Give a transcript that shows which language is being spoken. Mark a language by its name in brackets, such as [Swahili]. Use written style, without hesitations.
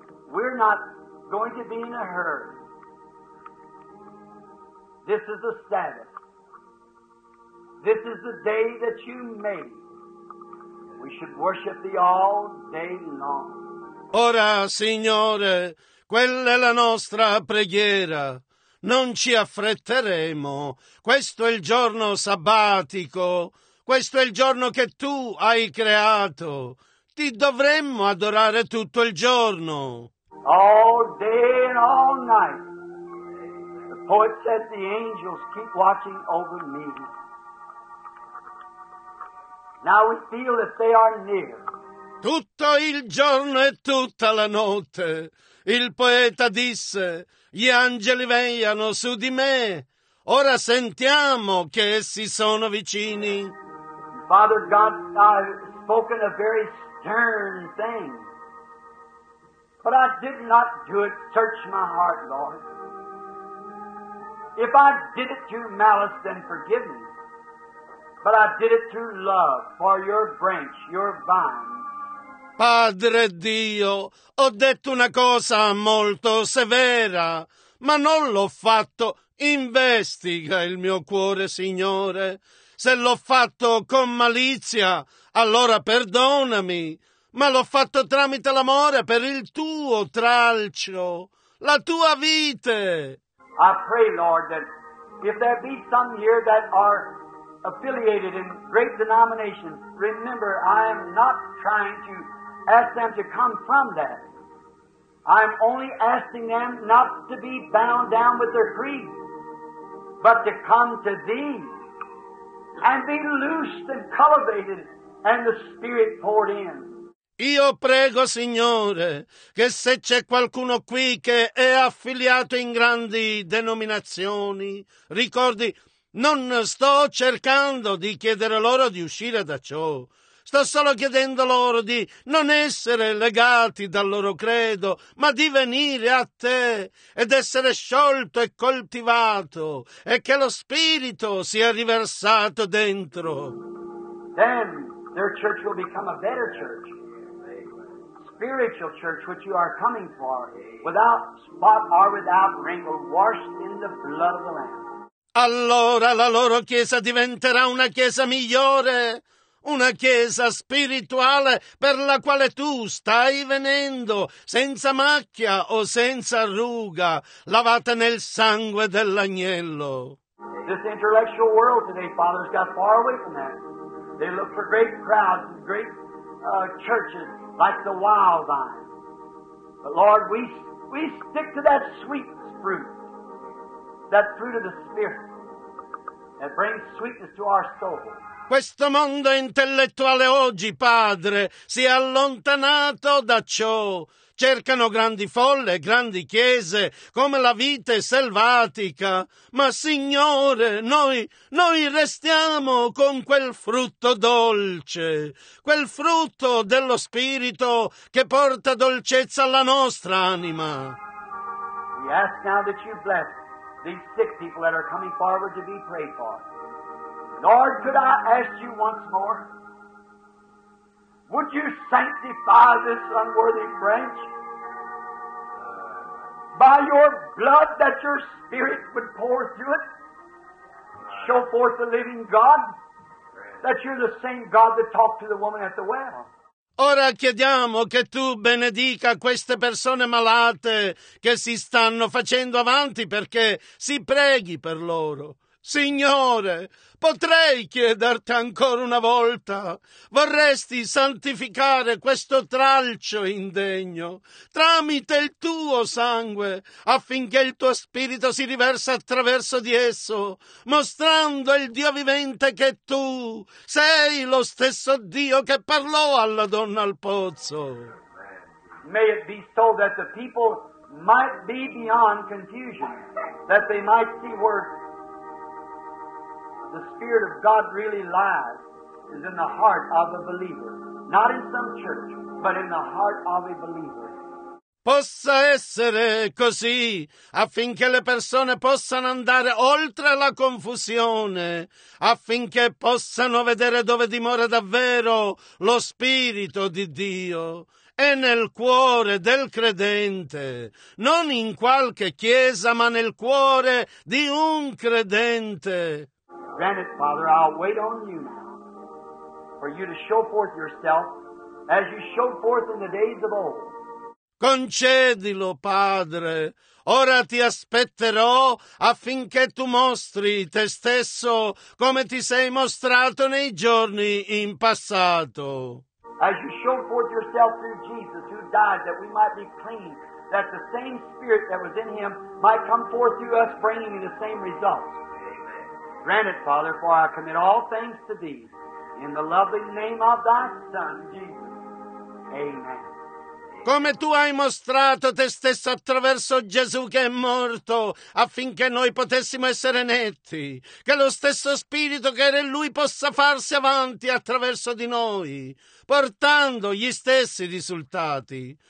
[English] We're not going to be in a hurry. This is the Sabbath. This is the day that you made. We should worship Thee all day long. [Italian] Ora, Signore, quella è la nostra preghiera. Non ci affretteremo. Questo è il giorno sabbatico. Questo è il giorno che tu hai creato. Ti dovremmo adorare tutto il giorno. [English] All day and all night. The poet said the angels keep watching over me. Now we feel that they are near. [Italian] Tutto il giorno e tutta la notte. Il poeta disse, gli angeli vegliano su di me. Ora sentiamo che essi sono vicini. [English] Father God, I've spoken a very stern thing, but I did not do it. Search my heart, Lord. If I did it through malice, then forgive me. But I did it through love for your branch, your vine. [Italian] Padre Dio, ho detto una cosa molto severa, ma non l'ho fatto. Investiga il mio cuore, Signore. Se l'ho fatto con malizia, allora perdonami, ma l'ho fatto tramite l'amore per il tuo tralcio, la tua vite. [English] I pray, Lord, that if there be some here that are affiliated in great denominations, remember, I am not trying to ask them to come from that. I'm only asking them not to be bound down with their creed, but to come to Thee. And be loosed and cultivated, and the Spirit poured in. [Italian] Io prego, Signore, che se c'è qualcuno qui che è affiliato in grandi denominazioni, ricordi, non sto cercando di chiedere loro di uscire da ciò. Sto solo chiedendo loro di non essere legati dal loro credo, ma di venire a te ed essere sciolto e coltivato e che lo Spirito sia riversato dentro. [English] Then their church will become a better church. Spiritual church which you are coming for, without spot or without wrinkle, washed in the blood of the Lamb. [Italian] Allora la loro chiesa diventerà una chiesa migliore. Una chiesa spirituale per la quale tu stai venendo, senza macchia o senza ruga, lavata nel sangue dell'agnello. [English] This intellectual world today, fathers, got far away from that. They look for great crowds and great churches like the wild vine. But Lord, we stick to that sweet fruit, that fruit of the Spirit. and bring sweetness to our soul. [Italian] Questo mondo intellettuale oggi, Padre, si è allontanato da ciò. Cercano grandi folle, grandi chiese, come la vite selvatica. Ma, Signore, noi restiamo con quel frutto dolce, quel frutto dello Spirito che porta dolcezza alla nostra anima. [English] We ask now that you bless these sick people that are coming forward to be prayed for. Lord, could I ask you once more, would you sanctify this unworthy branch by your blood that your Spirit would pour through it, show forth the living God, that you're the same God that talked to the woman at the well. [Italian] Ora chiediamo che tu benedica queste persone malate che si stanno facendo avanti perché si preghi per loro. Signore, potrei chiederti ancora una volta, vorresti santificare questo tralcio indegno tramite il tuo sangue affinché il tuo spirito si riversa attraverso di esso, mostrando il Dio vivente che tu sei lo stesso Dio che parlò alla donna al pozzo. [English] May it be so that the people might be beyond confusion, that they might see where the Spirit of God really lies is in the heart of a believer, not in some church, but in the heart of a believer. [Italian] Possa essere così affinché le persone possano andare oltre la confusione, affinché possano vedere dove dimora davvero lo Spirito di Dio. È nel cuore del credente, non in qualche chiesa, ma nel cuore di un credente. [English] Grant it, Father, I'll wait on you now for you to show forth yourself as you showed forth in the days of old. [Italian] Concedilo, Padre. Ora ti aspetterò affinché tu mostri te stesso come ti sei mostrato nei giorni in passato. [English] As you showed forth yourself through Jesus who died that we might be clean, that the same Spirit that was in him might come forth through us bringing the same results. Grant it, Father, for I commit all things to Thee, in the loving name of Thy Son, Jesus. Amen. [Italian] Come tu hai mostrato te stesso attraverso Gesù che è morto, affinché noi potessimo essere netti, che lo stesso Spirito che era in Lui possa farsi avanti attraverso di noi, portando gli stessi risultati.